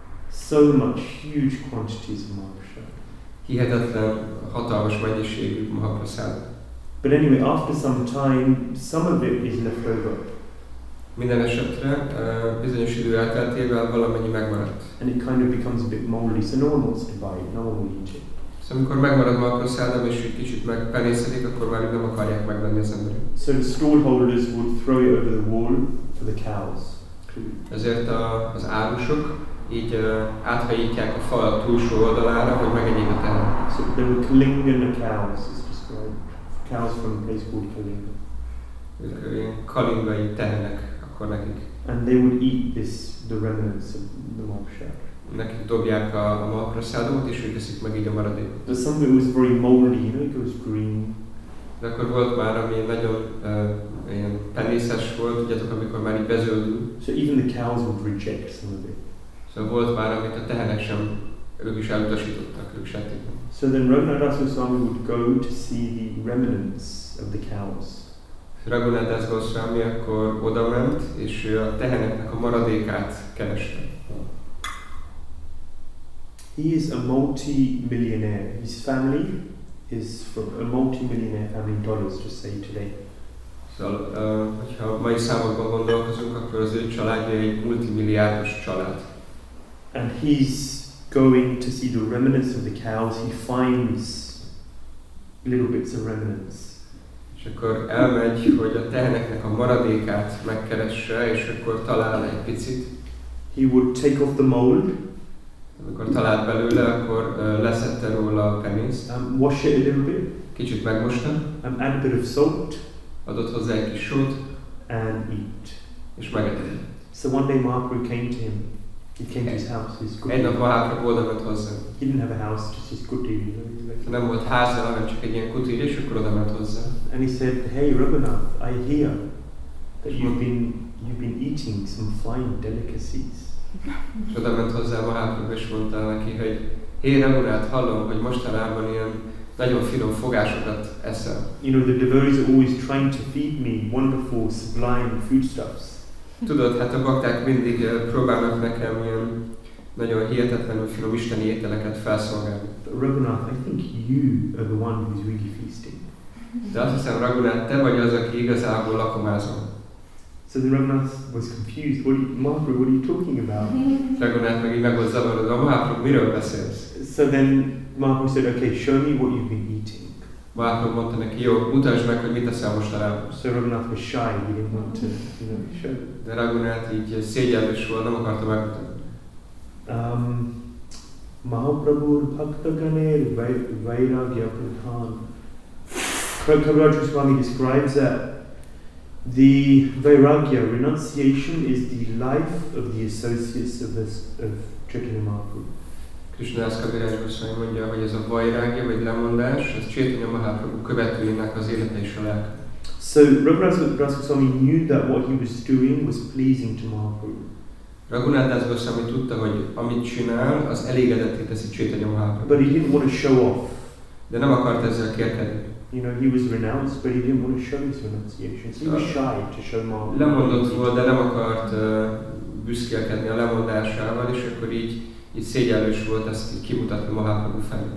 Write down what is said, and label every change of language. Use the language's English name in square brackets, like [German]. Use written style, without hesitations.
[English] So much huge quantities of Mahaprasad. [Hungarian] Hihetetlen hatalmas mennyiségű Mahaprasad. [English] But anyway, after some time, some of it is left over. [Hungarian] Minden esetre bizonyos idő elteltével valamennyi megmaradt. [English] And it kind of becomes a bit moldy, so no one wants to buy it, no one will eat it. [Hungarian] So amikor megmarad Mahaprasadam és egy kicsit megpenészedik, akkor már nem akarják megvenni az emberek. [English] So the stallholders would throw it over the wall for the cows. [Hungarian] Ezért az árusok így áthajítják a fal túlsó oldalára, hogy megegyék a tehenet. [English] So they would cling in the cows, it's described. Cows from a place called Kalinga. [Hungarian] Ők ilyen kalingai tehenek akkor nekik. [English] And they would eat this, the remnants of the Mahaprasad. [Hungarian] Nekik dobják a Mahaprasadot, és ők eszik meg így a maradék. [English] But something was very moldy, you know, it was green. [Hungarian] De akkor volt már, ami nagyon ilyen penészes volt, tudjátok, amikor már így bezöldül. [English] So even the cows would reject some of it. [Hungarian] De volt már, amit a tehenek sem, ők is elutasítottak, ők sették. [English] So then Raghunath Das Goswami would go to see the remnants of the cows. [Hungarian] Raghunath Das Goswami akkor oda ment, és ő a teheneknek a maradékát kereste. [English] He is a multi-millionaire. His family is from a multi-millionaire family in dollars, just say today. [Hungarian] Szóval, hogyha mai számokban gondolkozunk, akkor az ő családja egy multimilliárdos család. [English] And he's going to see the remnants of the cows. He finds little bits of remnants. [Hungarian] És akkor elmegy, hogy a teheneknek a maradékát megkeresse, és akkor talál egy picit. [English] He would take off the mold. [Hungarian] Amikor talált belőle, akkor leszette róla a penész. [English] Wash it a little bit. [Hungarian] Kicsit megmosta. [English] Add a bit of salt. [Hungarian] Adott hozzá egy kis sót. [English] And eat. [Hungarian] És megette. [English] So one day Mahaprabhu came to him. He came to his house, his [Hungarian] kuti. Egy nap Mahaprabhu oda ment hozzá. [English] He didn't have a house, just his kuti. You know, like, [Hungarian] nem volt háza, hanem csak egy ilyen kuti, és akkor oda ment hozzá. [English] And he said, hey Raghunath, I hear that you've been eating some fine delicacies. [Hungarian] És oda ment hozzá Mahaprabhu, és mondta neki, hogy hé Raghunath, hallom, hogy mostanában ilyen nagyon finom fogásokat eszel. [English] You know, the devotees are always trying to feed me wonderful, sublime foodstuffs. [Hungarian] Tudod, hát a bakták mindig próbálnak nekem ilyen nagyon hihetetlenül finom isteni ételeket felszolgálni. [English] But Raghunath, I think you are the one who's really feasting. [Hungarian] De azt hiszem, Raghunath, te vagy az, aki igazából lakomázol. [English] So the Raghunath was confused. Mahaprabhu, what are you talking about? [Hungarian] Raghunath meg így meg volt zavarodva. Mahaprabhu, miről beszélsz? [English] So then Mahaprabhu said, okay, show me what you've been eating. [Hungarian] Mahaprabhu mondta neki, jó, mutasd meg, hogy mit eszel mostanában. [English] So Raghunath was shy, he didn't want to, you know, show. [Hungarian] De Raghunath így szégyenlős volt, nem akarta megmutatni. [Bangla] Mahaprabhu bhakta ganer vairagya pradhan. [English] Kaviraj Goswami describes that the vairagya, renunciation, is the life of the associates of Chaitanya Mahaprabhu. [Hungarian] Krisnadász Kaviráj Gosvami mondja, hogy ez a vajrágya vagy lemondás, ez Chaitanya Mahaprabhu követőinek az élete és a lelke. [English] So Raghunathdas Goswami knew that what he was doing was pleasing to Mahaprabhu. [Hungarian] Raghunathdas Goswami tudta, hogy amit csinál, az elégedetté teszi Chaitanya Mahaprabhu. [English] But he didn't want to show off. [Hungarian] De nem akart ezzel kérkedni. [English] You know, he was renounced, but he didn't want to show his renunciations. He was shy to show Mahaprabhu. [Hungarian] Lemondott volt, de nem akart büszkélkedni a lemondásával, és akkor így szégyellős volt ezt így kimutatni Mahaprabhu felé.